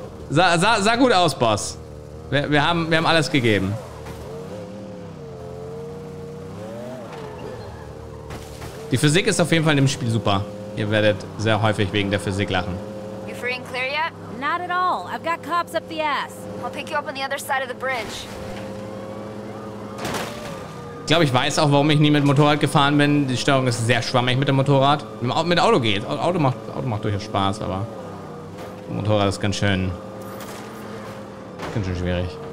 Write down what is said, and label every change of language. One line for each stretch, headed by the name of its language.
German: Sah gut aus, Boss. Wir haben alles gegeben. Die Physik ist auf jeden Fall in dem Spiel super. Ihr werdet sehr häufig wegen der Physik lachen.
English: You free and clear yet? Not at all. I've got cops up the ass. I'll pick you up on the other side of the bridge.
German: Ich glaube, ich weiß auch, warum ich nie mit Motorrad gefahren bin. Die Steuerung ist sehr schwammig mit dem Motorrad. Mit Auto geht. Auto macht durchaus Spaß, aber Motorrad ist ganz schön schwierig.